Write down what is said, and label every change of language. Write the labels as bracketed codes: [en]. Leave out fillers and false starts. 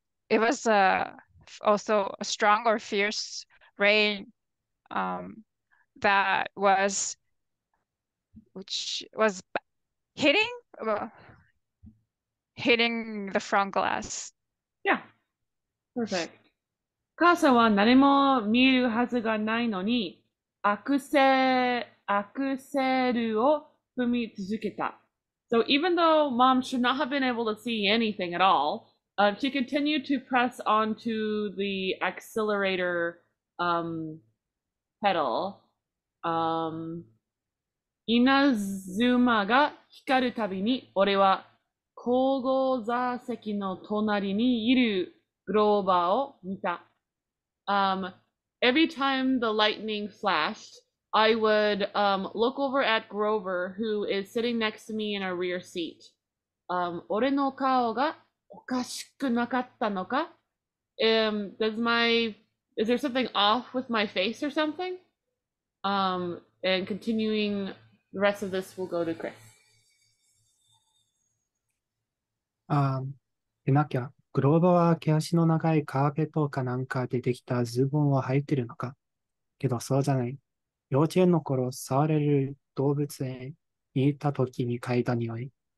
[en] It was also a strong or fierce rain. That was, which was hitting the front glass. Perfect. [ja] 母さんは何も見えるはずがないのに、アクセルを踏み続けた。 [en] So even though mom should not have been able to see anything at all, she continued to press onto the accelerator, pedal. [ja] Inazuma が光るたびに、俺は後部座席の隣にいる。グローバーを見た。 [en] Every time the lightning flashed, I would look over at Grover, who is sitting next to me in a rear seat. [ja] 俺の顔がおかしくなかったのか？ [en] Is there something off with my face or something? And continuing the rest of this will go to Chris. [ja] でなきゃ、グローブは毛足の長いカーペットかなんかでできたズボンを履いてるのか。けどそうじゃない。幼稚園の頃、触れる動物園に行った時に嗅いだ匂い。